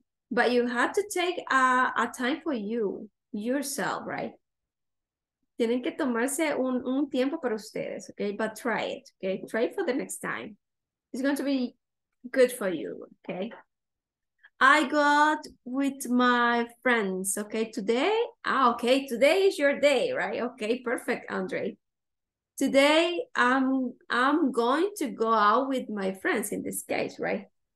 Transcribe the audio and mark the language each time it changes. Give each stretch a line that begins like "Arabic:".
English: But you have to take a time for you, yourself, right?
Spanish: Tienen que tomarse un tiempo para ustedes, okay?
English: But try it, okay? Try it for the next time. It's going to be good for you, okay? I go out with my friends, okay? Today, okay, today is your day, right? Okay, perfect, Andre. Today, I'm going to go out with my friends in this case, right?